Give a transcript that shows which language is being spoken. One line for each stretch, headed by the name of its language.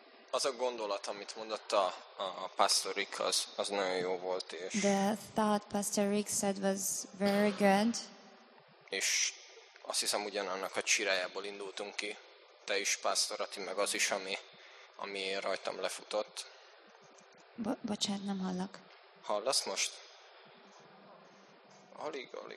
Hungarian: Az a gondolat, amit mondott a Pastor Rick, az nagyon jó volt. És
English: the thought Pastor Rick said was very good.
Hungarian: És azt hiszem, ugyanannak a csirájából indultunk ki. Te is, Pastor Ati, meg az is, ami rajtam lefutott. Bocsánat, nem hallok. Hallasz most? Alig.